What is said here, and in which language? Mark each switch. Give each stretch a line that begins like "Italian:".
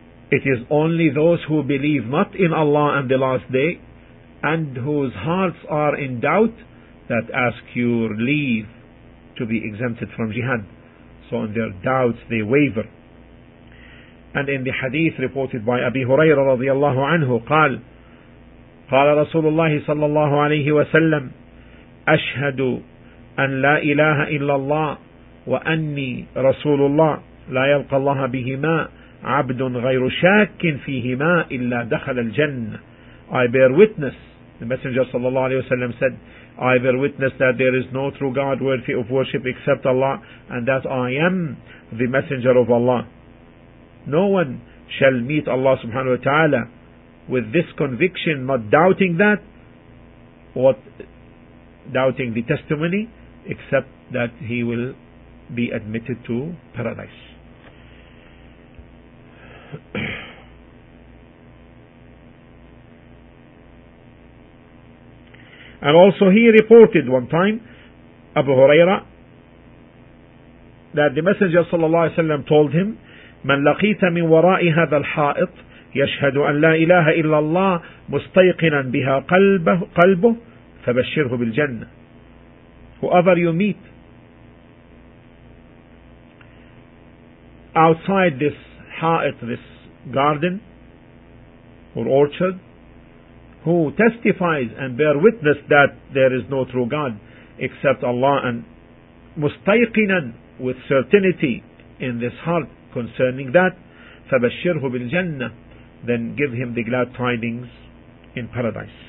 English: It is only those who believe not in Allah and the last day and whose hearts are in doubt that ask your leave to be exempted from jihad. So in their doubts they waver. And in the hadith reported by Abi Hurairah radiallahu anhu,
Arabic: قال رسول الله صلى الله عليه وسلم أشهد أن لا إله إلا الله وأني رسول الله لا يلقى الله بهما عبد غير شاك فيهما إلا دخل الجنة.
English: I bear witness, the Messenger صلى الله عليه وسلم said, I bear witness that there is no true God worthy of worship except Allah, and that I am the Messenger of Allah. No one shall meet Allah subhanahu wa ta'ala with this conviction, not doubting that, or doubting the testimony, except that he will be admitted to paradise. And also he reported one time, Abu Huraira, that the Messenger صلى الله عليه وسلم told him,
Arabic: من لقيت من وراء هذا الحائط يشهد أن لا إله إلا الله مستيقنا بها قلبه فبشره بالجنة.
English: Whoever you meet outside this حائط, this garden or orchard, who testifies and bear witness that there is no true God except Allah, and مستيقناً with certainty in this heart concerning that,
Arabic: فَبَشِّرْهُ بِالْجَنَّةِ,
English: then give him the glad tidings in paradise.